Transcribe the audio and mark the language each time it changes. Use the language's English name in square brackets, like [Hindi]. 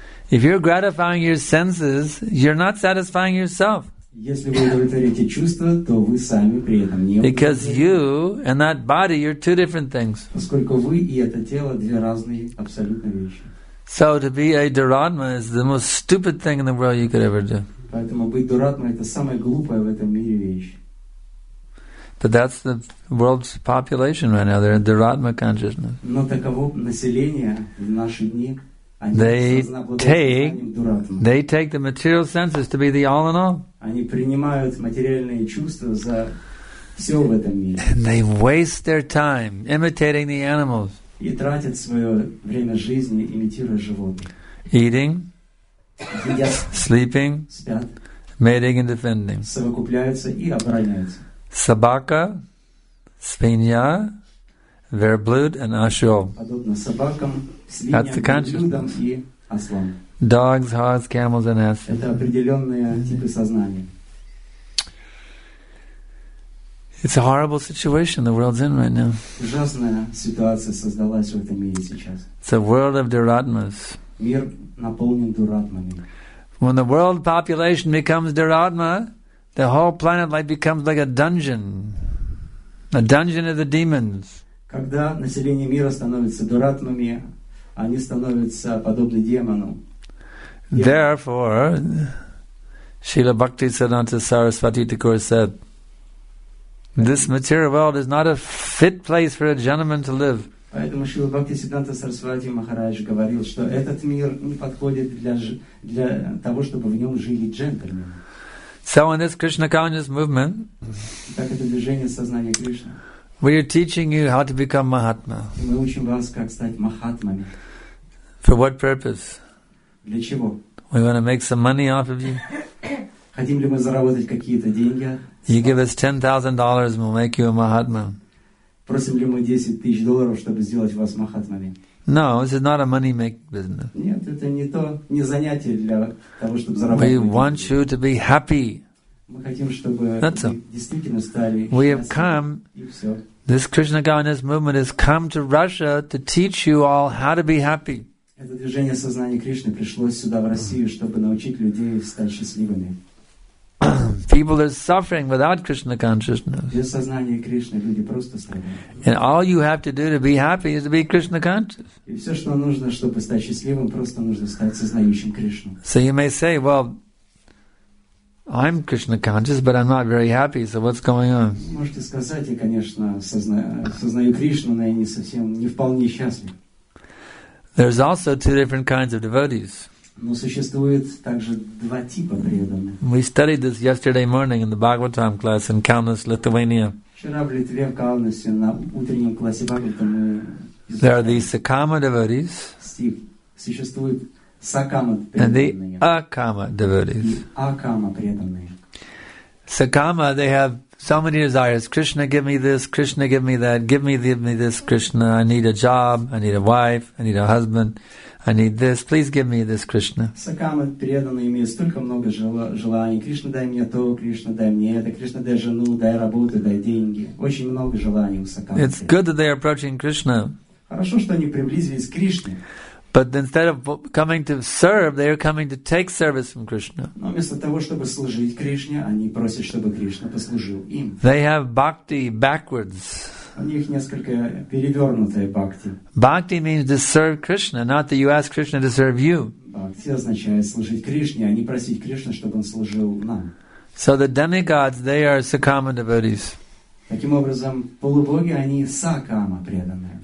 [English] If you're gratifying your senses, you're not satisfying yourself. [Russian] Если вы удовлетворите чувства, то вы сами при этом не. [English] Because you and that body, you're two different things. [Russian] Поскольку вы и это тело две разные абсолютно вещи. [English] So to be a Дуратма is the most stupid thing in the world you could ever do. [Russian] Поэтому быть Дуратма это самая глупая в этом мире вещь. [English] But that's the world's population right now. They're in Дуратма consciousness. [Russian] Но таково население в наши дни. [English] They take the material senses to be the all in all. [Russian] Они принимают материальные чувства за все в этом мире. [English] And they waste their time imitating the animals. [Russian] И тратят свое время жизни, имитируя животных. [English] Eating, sleeping, [Russian] спят, [English] mating and defending. [Russian] Совокупляются и обороняются. Собака, свинья, верблюд [English] and [Russian] осел. Подобно собакам. [English] That's the consciousness. Dogs, hogs, camels, and asses. [Russian] Это определенные типы сознания. [English] It's a horrible situation the world's in right now. [Russian] Ужасная ситуация создалась в этом мире сейчас. [English] It's a world of Дуратмас. [Russian] Мир наполнен Дуратмами. [English] When the world population becomes Дуратма, the whole planet like becomes like a dungeon. A dungeon of the demons. [Russian] Когда население мира становится Дуратмами, они становятся подобны демону. [English] Therefore, Srila Bhakti Siddhanta Sarasvati Thakur said, This material world is not a fit place for a gentleman to live. [Russian] Поэтому Шрила Бхактисиддханта Сарасвати Махарадж говорил, что этот мир не подходит для того, чтобы в нем жили джентльмены. [English] So Krishna Consciousness Movement, [Russian] так это движение сознания Кришны. [English] We are teaching you how to become Mahatma. [Russian] Мы учим вас, как стать махатмами. [English] For what purpose? [Russian] Для чего? [English] We want to make some money off of you. [Russian] Хотим ли мы заработать какие-то деньги? [English] You give us $10,000 and we'll make you a Mahatma. [Russian] Просим ли мы 10 тысяч долларов, чтобы сделать вас махатмами? [English] No, this is not a money-making business. [Russian] Нет, это не то, не занятие для того, чтобы зарабатывать деньги. [English] We want you to be happy. [Russian] Мы хотим, чтобы вы действительно стали счастливы. [English] We have come. This Krishna Consciousness Movement has come to Russia to teach you all how to be happy. [Russian] Это движение сознания Кришны пришло сюда, в Россию, чтобы научить людей стать счастливыми. [English] People are suffering without Krishna consciousness. [Russian] Без сознания Кришны люди просто страдают. [English] And all you have to do to be happy is to be Krishna conscious. [Russian] И все, что нужно, чтобы стать счастливым, просто нужно стать сознающим Кришну. [English] So you may say, well, I'm Krishna conscious, but I'm not very happy. So what's going on? [Russian] Можете сказать, я, конечно, сознаю Кришну, но я не совсем, не вполне счастлив. [English] There's also two different kinds of devotees. [Russian] Но существует также два типа преданных. [English] We studied this yesterday morning in the Bhagavatam class in Kaunas, Lithuania. [Russian] Вчера в Литве, в Каунасе, на утреннем классе Бхагаватам мы изучали. [English] There are the Sakama devotees. [Russian] Стив, существует Сакама преданные. [English] And the Акама devotees. [Russian] Акама преданные. [English] Сакама, they have so many desires. Krishna, give me this. Krishna, give me that. Give me this, Krishna. I need a job. I need a wife. I need a husband. I need this. Please give me this, Krishna. [Russian] Сакама преданные имеют столько много желаний. Кришна, дай мне то. Кришна, дай мне это. Кришна, дай жену, дай работу, дай деньги. Очень много желаний у сакама. [English] It's good that they are approaching Krishna. [Russian] Хорошо, что они приблизились к Кришне. [English] But instead of coming to serve, they are coming to take service from Krishna. [Russian] Но вместо того, чтобы служить Кришне, они просят, чтобы Кришна послужил им. [English] They have bhakti backwards. [Russian] У них несколько перевернутая бхакти. [English] Bhakti means to serve Krishna, not that you ask Krishna to serve you. [Russian] Бхакти означает служить Кришне, а не просить Кришну, чтобы он служил нам. [English] So the demigods, they are Sakama devotees. [Russian] Таким образом, полубоги, они сакама преданные.